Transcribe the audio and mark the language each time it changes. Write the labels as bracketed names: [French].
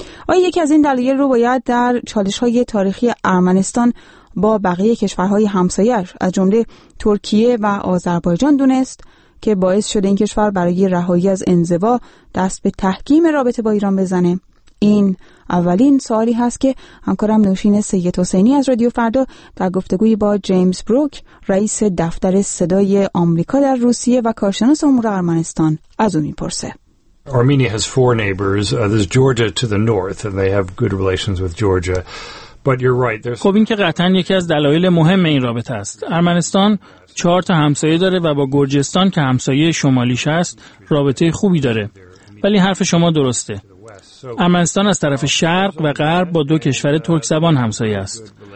[Persian] آیا یکی از این دلایل رو باید در چالش‌های تاریخی ارمنستان با بقیه کشورهای همسایه‌اش از جمله ترکیه و آذربایجان دونست که باعث شده این کشور برای رهایی از انزوا دست به تحکیم رابطه با ایران بزنه؟ این اولین سوالی هست که همکارم نوشین سید حسینی از رادیو فردا در گفتگوی با جیمز بروک، رئیس دفتر صدای آمریکا در روسیه و کارشناس امور ارمنستان، از او میپرسه. [English] Armenia has four neighbors. There's Georgia to the north and they have good relations with Georgia. But you're right. [Persian] خب این که قطعاً یکی از دلایل مهم این رابطه است. ارمنستان 4 تا همسایه داره و با گرجستان که همسایه شمالیش است رابطه خوبی داره. ولی حرف شما درسته. ارمنستان از طرف شرق و غرب با دو کشور ترک زبان همسایه است.